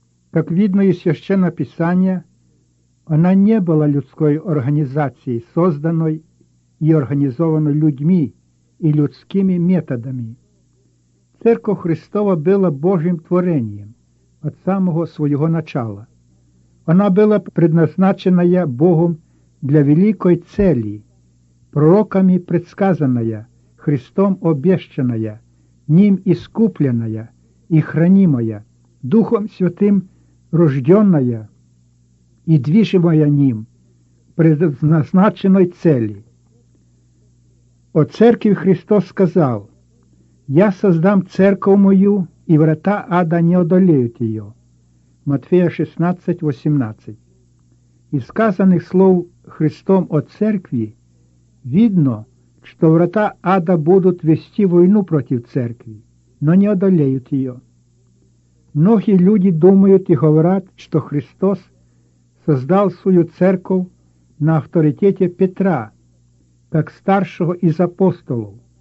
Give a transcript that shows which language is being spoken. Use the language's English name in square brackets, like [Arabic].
[Russian] Как видно из Священного Писания, она не была людской организацией, созданной и организованной людьми и людскими методами. Церковь Христова была Божьим творением от самого своего начала. [Ukrainian] Вона була предназначена Богом для великої цілі, пророками предсказана, Христом обіщена, ним іскуплена і хранима, Духом Святим рождена і движима ним предназначеної цілі. О церкві Христос сказав: «Я создам церкву мою, і врата ада не одолеють її». [Russian] Матфея 16, 18. Из сказанных слов Христом о церкви видно, что врата ада будут вести войну против церкви, но не одолеют ее. Многие люди думают и говорят, что Христос создал свою церковь на авторитете Петра, как старшего из апостолов.